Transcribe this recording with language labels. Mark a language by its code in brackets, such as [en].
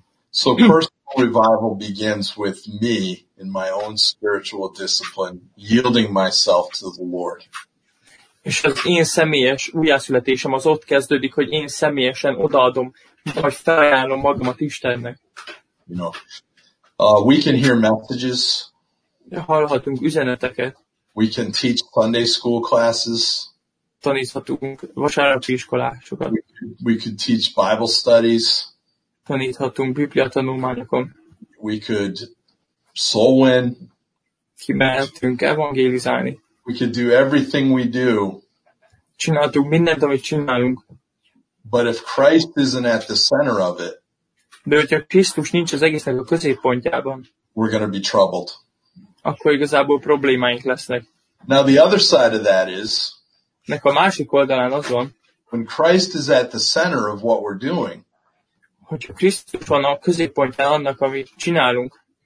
[en] So personal revival begins with me in my own spiritual discipline, yielding myself to the Lord. [hu] És az én személyes újjászületésem az ott kezdődik, hogy én személyesen odaadom, vagy felajánlom magamat Istennek. [en] You know, we can hear messages. [hu] Hallhatunk üzeneteket. [en] We can teach Sunday school classes. [hu] Taníthatunk vasárnapi iskolásokat. [en] We could teach Bible studies. [hu] Taníthatunk Biblia tanulmányokon. [en] We could soul win. [hu] Kimehetünk evangélizálni. [en] We could do everything we do. [hu] Csináltunk mindent, amit csinálunk. [en] But if Christ isn't at the center of it, [hu] de hogyha Krisztus nincs az egésznek a középpontjában, [en] we're going to be troubled. [hu] Akkor igazából problémáink lesznek. [en] Now the other side of that is, [hu] nek a másik oldalán az van, [en] when Christ is at the center of what we're doing, [hu] hogyha Krisztus van a középpontján annak, amit csinálunk,